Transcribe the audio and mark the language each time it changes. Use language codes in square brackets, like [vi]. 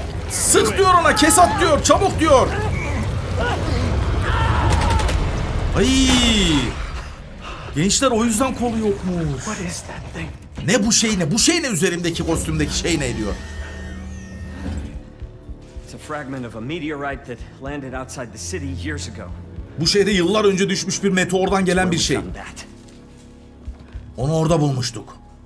[tr] Sık diyor ona, kes at diyor, çabuk diyor. Ay, gençler o yüzden kolu yokmuş. Ne bu şey ne? Bu şey ne üzerimdeki kostümdeki şey ne diyor? [en] It's a fragment of a meteorite that landed outside the city years ago. [tr] Bu şeyde yıllar önce düşmüş bir meteordan gelen bir şey. Onu orada bulmuştuk.